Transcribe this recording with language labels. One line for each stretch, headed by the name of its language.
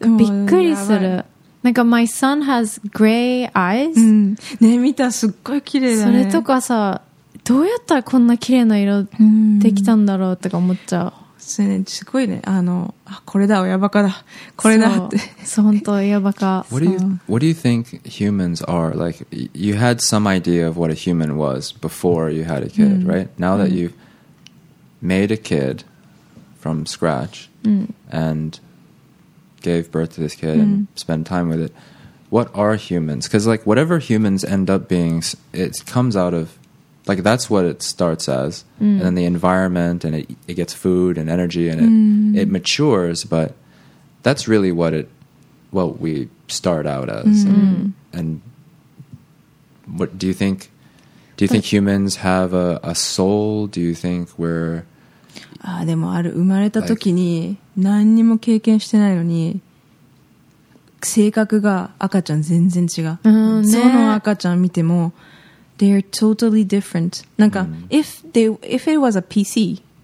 Japanese: びっくりする。なんか
English: My son has gray eyes、
Japanese: うん、ね、見たすっごい綺麗だね。それとかさ、どうやったらこんな綺麗な色できたんだろうとか思っちゃう。そうね、すごいね。あ、これだ、親バカだ、これだって。そう、本当親バカ。
English: What do you think humans are? Like, you had some idea of what a human was before you had a kid,、うん、right? Now that you've made a kid from scratch、うん、 and gave birth to this kid、うん、and spend time with it, what are humans? Because, like, whatever humans end up being, it comes out of... Like, that's what it starts as.、 Mm. And then the environment, and it gets food and energy, and it,、 it matures. But that's really what we start out as.、 Mm. And what, do you think humans have a soul? Do you think we're...
Japanese: Ah, でもある生まれた時に何にも経験してないのに性格が赤ちゃん全然違う。その赤ちゃん見ても
English: They're totally different. なんか、mm. if it was a PC,、